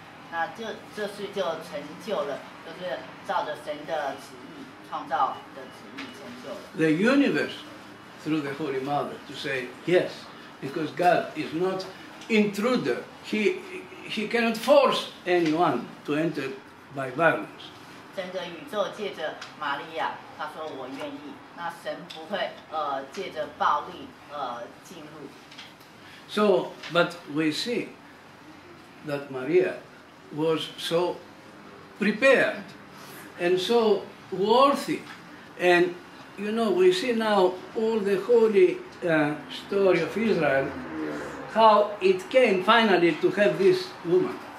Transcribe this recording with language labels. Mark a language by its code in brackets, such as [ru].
[zh] 那这事就成就了，就是照着神的旨意，创造的旨意成就了。 [en] The universe through the Holy Mother to say yes. Because God is not intruder. He cannot force anyone to enter by violence. [zh] 整个宇宙借着玛利亚，他说我愿意。那神不会借着暴力进入。 [en] So, but we see that Maria was so prepared and so worthy. And, you know, we see now all the holystory of Israel, how it came finally to have this woman.